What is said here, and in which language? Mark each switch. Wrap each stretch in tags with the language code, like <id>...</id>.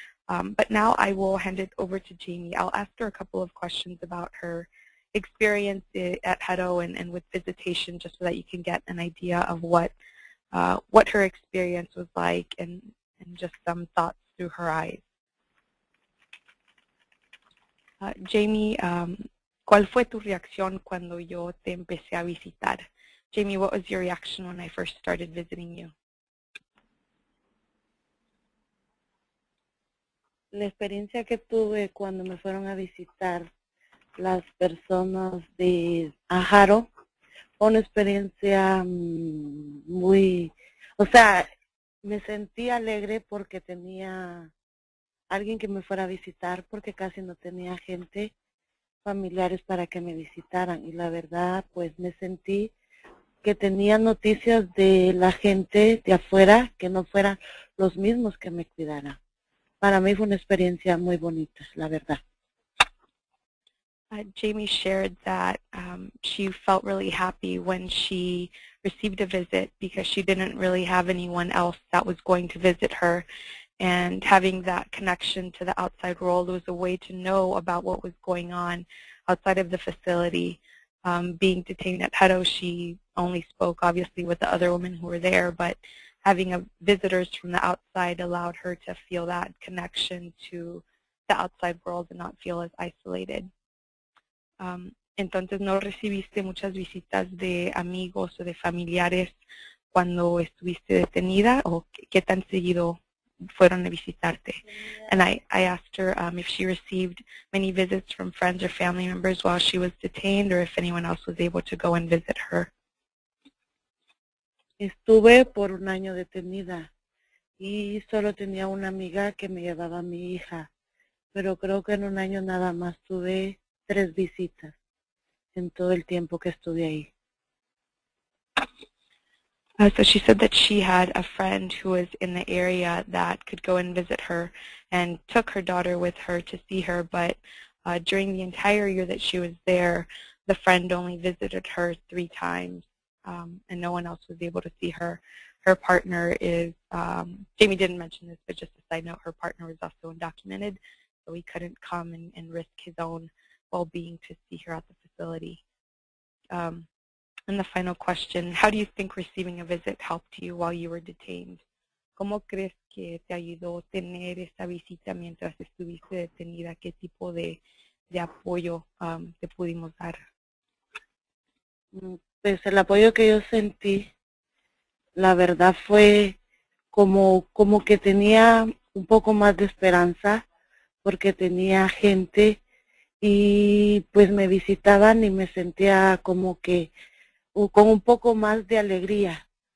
<en>But now I will hand it over to Jamie. I'll ask her a couple of questions about her experience at Hutto and with visitation, just so that you can get an idea of what her experience was like and just some thoughts through her eyes.</en> <es>Jamie, ¿cuál fue tu reacción cuando yo te empecé a visitar?</es> <en>Jamie, what was your reaction when I first started visiting you?</en> <es>La experiencia que tuve cuando me fueron a visitar las personas de Hutto, una experiencia muy, o sea, me sentí alegre porque tenía alguien que me fuera a visitar porque casi no tenía gente, familiares para que me visitaran. Y la verdad, pues me sentí que tenía noticias de la gente de afuera que no fueran los mismos que me cuidaran. Para mí fue una experiencia muy bonita, la verdad.</es> <en>Jamie shared that she felt really happy when she received a visit because she didn't really have anyone else that was going to visit her. And having that connection to the outside world was a way to know about what was going on outside of the facility. Being detained at Hutto, she only spoke, obviously, with the other women who were there. But having visitors from the outside allowed her to feel that connection to the outside world and not feel as isolated.</en> <es>Entonces, ¿no recibiste muchas visitas de amigos o de familiares cuando estuviste detenida? ¿O qué tan seguido fueron a visitarte?</es> <en>And I asked her if she received many visits from friends or family members while she was detained or if anyone else was able to go and visit her.</en> <es>Estuve por un año detenida y solo tenía una amiga que me llevaba a mi hija. Pero creo que en un año nada más tuve 3 visitas en todo el tiempo que estuve ahí.</es> <en>So she said that she had a friend who was in the area that could go and visit her and took her daughter with her to see her, but During the entire year that she was there, the friend only visited her 3 times, and no one else was able to see her. Her partner is, Jamie didn't mention this, but just a side note, her partner was also undocumented, so he couldn't come and risk his own well-being to see her at the facility. And the final question, how do you think receiving a visit helped you while you were detained?</en> <es>¿Cómo crees que te ayudó tener esta visita mientras estuviste detenida? ¿Qué tipo de apoyo te pudimos dar? Pues el apoyo que yo sentí, la verdad fue como que tenía un poco más de esperanza porque tenía gente y pues me visitaban y me sentía como que con un poco más de alegría.</es>